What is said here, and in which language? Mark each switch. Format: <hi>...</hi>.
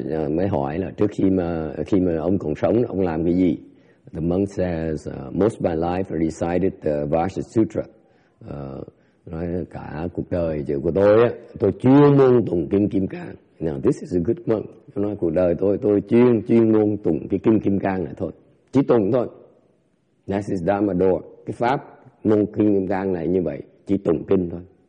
<vi>Mới hỏi là trước khi mà ông còn sống ông làm cái gì?</vi> <en>The monk says, most of my life I recited the Vajra Sutra.</en> <vi>Nói cả cuộc đời giờ của tôi á, tôi chuyên môn tụng kinh Kim Cang.</vi> <en>Now this is a good monk.</en> <vi>Tôi nói cuộc đời tôi chuyên môn tụng cái kinh Kim Cang này thôi, chỉ tụng thôi.</vi> <en>That is Dharma Door.</en> <vi>Cái pháp môn kinh Kim Cang này như vậy, chỉ tụng kinh thôi.</vi>